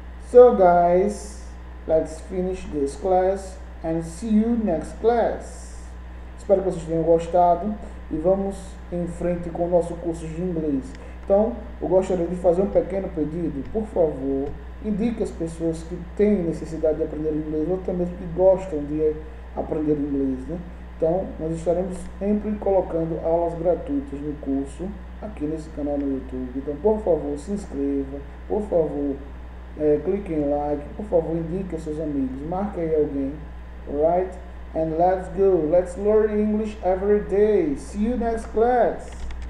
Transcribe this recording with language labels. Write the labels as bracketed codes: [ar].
[en] So, guys, let's finish this class and see you next class. [pt] Espero que vocês tenham gostado e vamos em frente com o nosso curso de inglês. Então, eu gostaria de fazer um pequeno pedido. Por favor, indique as pessoas que têm necessidade de aprender inglês ou até mesmo que gostam de aprender inglês, né? Então, nós estaremos sempre colocando aulas gratuitas no curso aqui nesse canal no YouTube. Então, por favor, se inscreva. Por favor, clique em like. Por favor, indique aos seus amigos. Marque aí alguém. [en] Right? And let's go. Let's learn English every day. See you next class.